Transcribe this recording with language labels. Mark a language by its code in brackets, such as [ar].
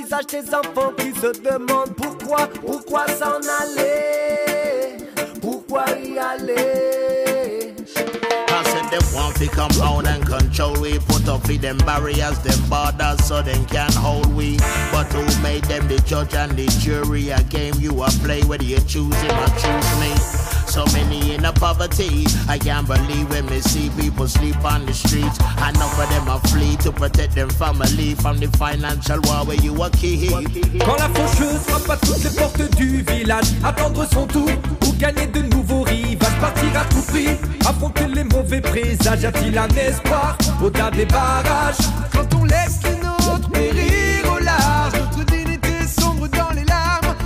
[fr] Des enfants qui se demandent pourquoi s'en aller, pourquoi y aller. [en] them want to come out and control we. Put up with them barriers, them borders, so them can't hold we. But who made them the judge and the jury? A game you a play, whether you choose him or choose me. So many in a poverty, I can't believe when me see people sleep on the streets. And offer them a flee to protect them family from the financial war where you are key. [fr] Quand la faucheuse frappe à toutes les portes du village, attendre son tour ou gagner de nouveaux rivages, partir à tout prix, affronter les mauvais présages. A-t-il un espoir au-delà des barrages? Quand on laisse les nôtres périr au large, notre dignité sombre dans les larmes.